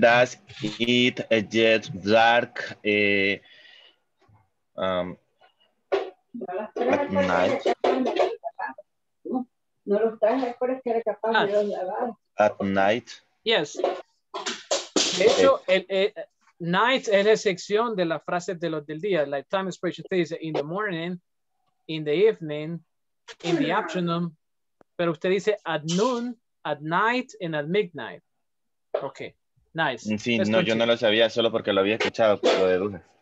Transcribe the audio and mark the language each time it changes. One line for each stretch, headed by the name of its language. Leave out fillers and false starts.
English: does it get dark at night? At night? Yes.
Spanish: De hecho, night es la sección de las frases de los del día.
English: Like time expression is in the morning, in the evening, in the afternoon.
Spanish: Pero usted dice
English: at noon, at night, and at midnight. Ok, nice.
Spanish: Sí, yo no lo sabía solo porque lo había escuchado, lo deduje.